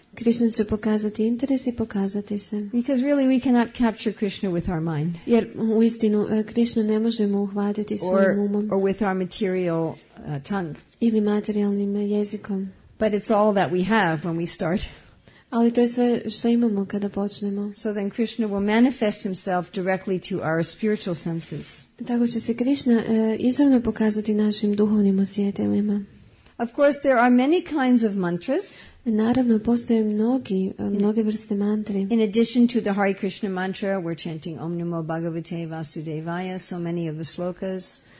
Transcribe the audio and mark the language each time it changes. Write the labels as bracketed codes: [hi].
[hr] Krishna će pokazati interes i pokazati se. [en] Because really we cannot capture Krishna with our mind. [hr] Jer u istinu Krishna ne možemo uhvatiti svojim umom. [en] Or with our material tongue. [hr] Ili materijalnim jezikom. [en] But it's all that we have when we start. [hr] Ali to je sve što imamo kada počnemo. [en] So then Krishna will manifest himself directly to our spiritual senses. [hr] Tako će se Krishna izravno pokazati našim duhovnim osjetilima. [en] Of course there are many kinds of mantras. [hr] Naravno postoje mnoge vrste mantri. [en] In addition to the Hare Krishna mantra, we're chanting [sa] Om Namo Bhagavate Vasudevaya, [en] so many of the slokas.